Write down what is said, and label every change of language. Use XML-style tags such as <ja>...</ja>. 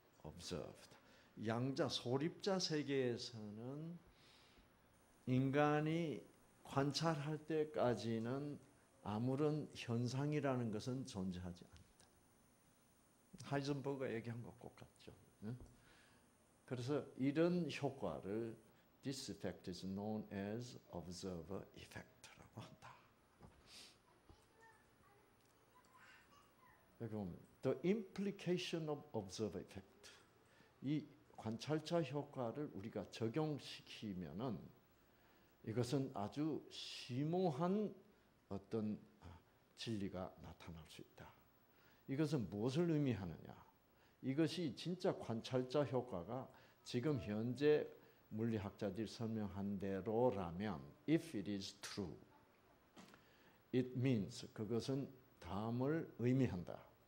<en>observed.</en> <ko>양자 소립자 세계에서는 인간이 관찰할 때까지는 아무런 현상이라는 것은 존재하지 않는다. 하이젠버그가 얘기한 것 꼭 같죠. 그래서 이런 효과를</ko> <en>This effect is known as observer effect라고 한다.</en> <ko>여기 보면</ko> <en>The implication of observer effect.</en> <ko>이 관찰자 효과를 우리가 적용시키면은 이것은 아주 심오한 어떤 진리가 나타날 수 있다. 이것은 무엇을 의미하느냐? 이것이 진짜 관찰자 효과가 지금 현재 물리학자들이 설명한 대로라면</ko> <en>if it is true it means</en> <ko>그것은 다음을 의미한다.</ko>